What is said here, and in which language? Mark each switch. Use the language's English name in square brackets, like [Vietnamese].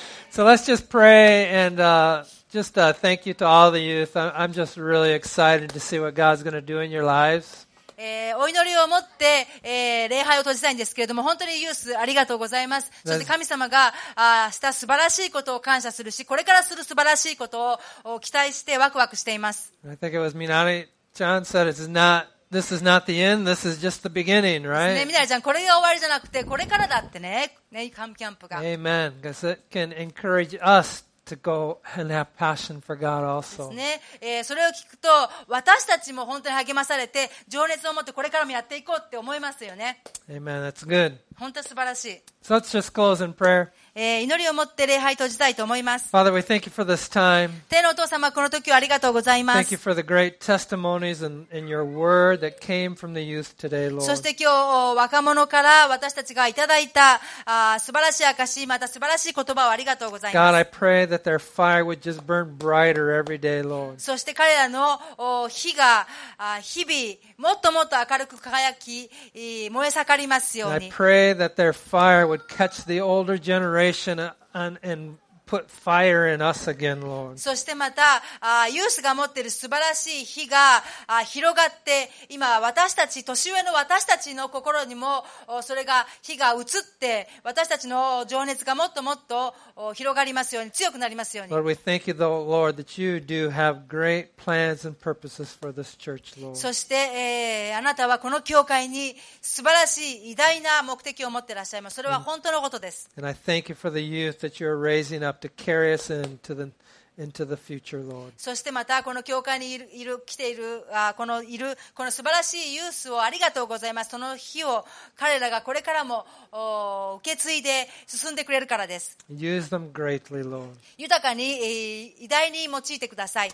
[English] So let's just pray and just thank you to all the youth. I'm just really excited to see what God's going to do in your lives. [Japanese] お祈りを持って、礼拝を閉じたいんですけれども、本当にユースありがとうございます。そして神様がした素晴らしいことを感謝するし、これからする素晴らしいことを期待してワクワクしています。 [English] I think it was Minari Chan said it's not, this is not the end, this is just the beginning, right? [Japanese] ミナリちゃん、これが終わりじゃなくてこれからだってね、ね、カムキャンプが。 [English] Amen. Because it can encourage usTo go and have passion for God also. [Japanese] それを聞くと私たちも本当に励まされて、情熱を持ってこれからもやっていこうって思いますよね。 [English] Amen. That's good. [Japanese] 本当に素晴らしい。 [English] So let's just close in prayer. [Japanese] 祈りを持って礼拝閉じたいと思います。 [English] Father, we thank you for this time. [Japanese] 天のお父様、この時はありがとうございます。 [English] Thank you for the great testimonies and your word that came from the youth today, Lord. [Japanese] そして今日若者から私たちがいただいた素晴らしい証、また素晴らしい言葉をありがとうございます。 [English] God, I prayThat their fire would just burn brighter every day, Lord. [Japanese] そして彼らの火が日々もっともっと明るく輝き、燃え盛りますように。 [English] I pray that their fire would catch the older generation and put fire in us again, Lord. [Japanese] そしてまたユースが持っている素晴らしい火が広がって、今私たち年上の私たちの心にもそれが火が移って、私たちの情熱がもっともっと広がりますように、強くなりますように。 [English] Lord, we thank you, though, Lord, that you do have great plans and purposes for this church, Lord. [Japanese] そして、あなたはこの教会に素晴らしい偉大な目的を持っていらっしゃいます。それは本当のことです。 [English] And I thank you for the youth that you're raising up to carry us into theInto the future, Lord. [Japanese] そしてまたこの教会にいる、来ている、このいる、この素晴らしいユースをありがとうございます。その日を彼らがこれからも受け継いで進んでくれるからです。 [English] Use them greatly, Lord. [Japanese] 豊かに、偉大に用いてください。